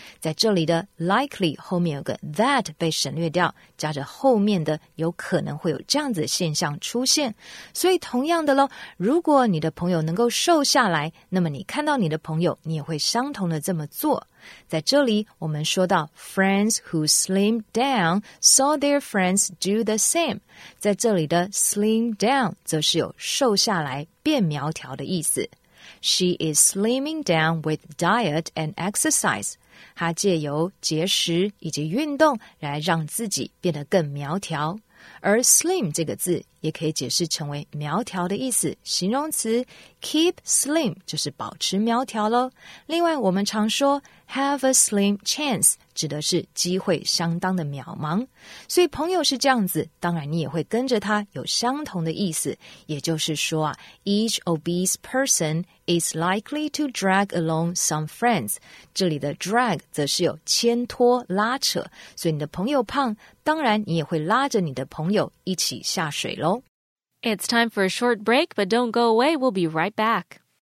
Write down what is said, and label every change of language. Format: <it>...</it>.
<zh>在这里的 likely 后面有个 that 被省略掉，加着后面的有可能会有这样子的现象出现。所以同样的咯，如果你的朋友能够瘦下来，那么你看到你的朋友，你也会相同的这么做。在这里我们说到</zh> <en>friends who slimmed down saw their friends do the same，</en> <zh>在这里的 slim down 则是有瘦下来变苗条的意思。</zh> <en>She is slimming down with diet and exercise，</en> <zh>她借由节食以及运动来让自己变得更苗条。而 slim 这个字也可以解释成为苗条的意思，形容词 keep slim 就是保持苗条咯。另外我们常说 have a slim chance 指的是机会相当的渺茫，所以朋友是这样子，当然你也会跟着他有相同的意思，也就是说啊，</zh> <en>each obese person is likely to drag along some friends，</en> <zh>这里的 drag 则是有牵拖拉扯，所以你的朋友胖，当然你也会拉着你的朋友一起下水咯。</zh> <en>It's time for a short break, but don't go away, we'll be right back.</en>